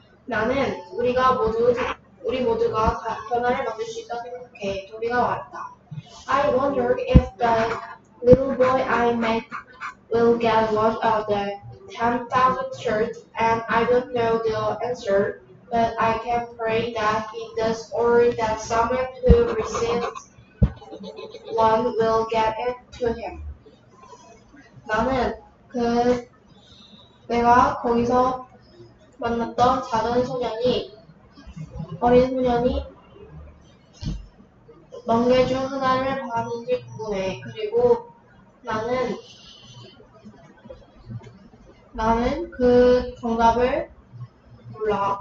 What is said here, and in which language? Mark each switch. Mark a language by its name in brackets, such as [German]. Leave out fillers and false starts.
[Korean] 나는 우리 모두가 변화를 만들 수 있다고 생각해. 도비가 말했다. [English] I wonder if the little boy I met will get one of the 10,000 shirts, and I don't know the answer, but I can pray that he does, or that someone who receives one will get it to him. [Korean] 나는 내가 거기서 만났던 작은 소년이 어린 소년이 멍게 중 하나를 받았는지 궁금해. 그리고 나는 그 정답을 몰라.